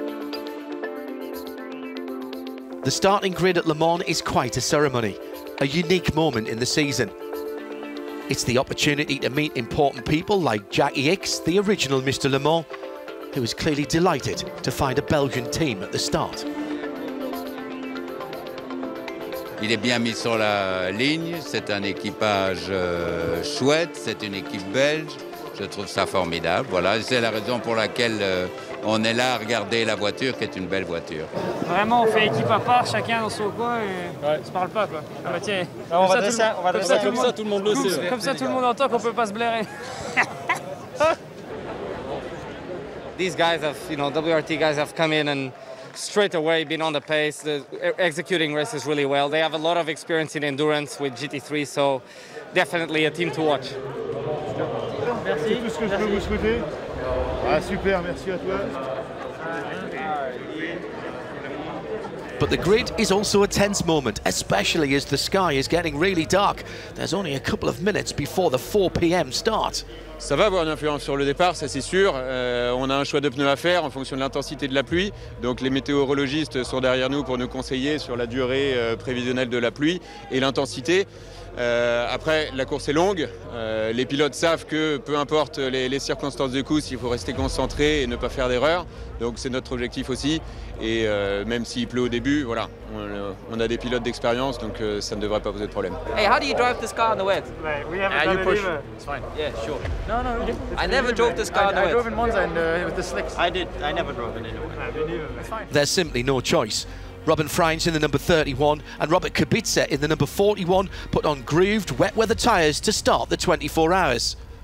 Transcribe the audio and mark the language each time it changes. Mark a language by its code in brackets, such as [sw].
[en] The starting grid at Le Mans is quite a ceremony, a unique moment in the season. It's the opportunity to meet important people like Jackie Ickx, the original Mr. Le Mans, who is clearly delighted to find a Belgian team at the start. [fr] Il est bien mis sur la ligne, c'est un équipage chouette, c'est une équipe belge, je trouve ça formidable. Voilà, c'est la raison pour laquelle on est là à regarder la voiture, qui est une belle voiture. Vraiment, on fait équipe à part, chacun dans son coin, et on se parle pas, quoi. Ah bah tiens, non, on va dresser ça, va comme, ça, comme ça, tout le monde le sait. Comme ça, tout le monde entend qu'on peut pas se blairer. [en] These guys have, you know, WRT guys have come in and straight away been on the pace, executing races really well. They have a lot of experience in endurance with GT3, so definitely a team to watch. [fr] Merci. C'est tout ce que je peux vous souhaiter. Ah, super, merci à toi. [en] But the grid is also a tense moment, especially as the sky is getting really dark. There's only a couple of minutes before the 4 p.m. start. [fr] Ça va avoir une influence sur le départ, ça c'est sûr. On a un choix de pneus à faire en fonction de l'intensité de la pluie. Donc les météorologistes sont derrière nous pour nous conseiller sur la durée prévisionnelle de la pluie et l'intensité. Après, la course est longue. Les pilotes savent que, peu importe les circonstances de course, il faut rester concentré et ne pas faire d'erreur. Donc c'est notre objectif aussi. Et même s'il pleut au début, voilà, on a des pilotes d'expérience, donc ça ne devrait pas poser de problème. [en] Hey, how do you drive this car in the wet? Mate, we haven't done it either. It's fine. Yeah, sure. No. I never drove this car in the wet. I drove in Monza and with the slicks. I did. I never drove it in the wet. It's fine. There's simply no choice. Robin Frijns in the number 31 and Robert Kubica in the number 41 put on grooved, wet-weather tyres to start the 24 hours.